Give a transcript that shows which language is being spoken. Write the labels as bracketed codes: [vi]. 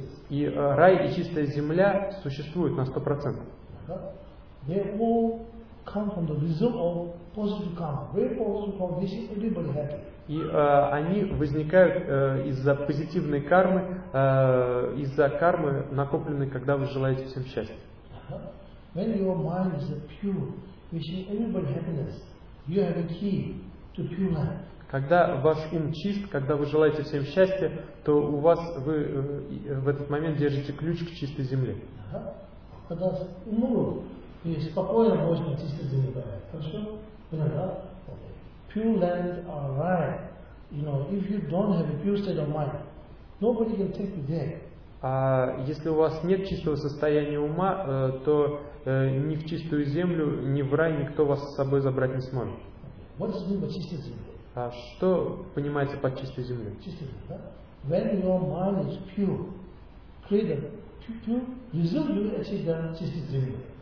[ru] И рай и чистая земля существуют на 100%. [en] They all come from the result of positive karma. Very positive karma. This is everybody happy. [ru] И они возникают из-за позитивной кармы, из-за кармы, накопленной, когда вы желаете всем счастья. [en] When your mind is pure, wishing everybody happiness, you have a key to pure life. [ru] Когда ваш ум чист, когда вы желаете всем счастья, то у вас вы в этот момент держите ключ к чистой земле. Когда ум и спокойно можно чистой земле брать. [en] Pure land are right. You know, if you don't have a pure state of mind, nobody can take you there. [ru] А если у вас нет чистого состояния ума, то ни в чистую землю, ни в рай никто вас с собой забрать не сможет. [en] What does it mean by [ru] чистой землей? А что понимается под чистой землей? [en] When your mind is pure, clear, pure, result you achieve the [ru] чистой земли.